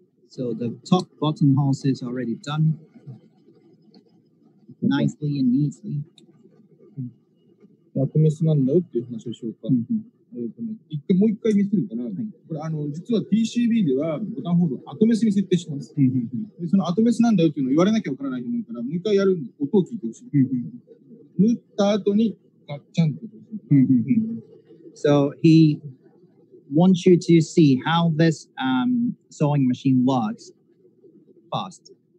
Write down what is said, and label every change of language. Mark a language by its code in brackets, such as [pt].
[en] So the top buttonhole is already done nicely and neatly. [ja] まとめすなんだよっていう話をしようか。もう一回見せるかな。これ実は TCB ではボタンホールを後メスに設定します。でその後メスなんだよっていうのを言われなきゃわからないと思うから、もう一回やる音を聞いてほしい。縫った後にガッチャンって。 [en] So he... want you to see how this sewing machine works fast.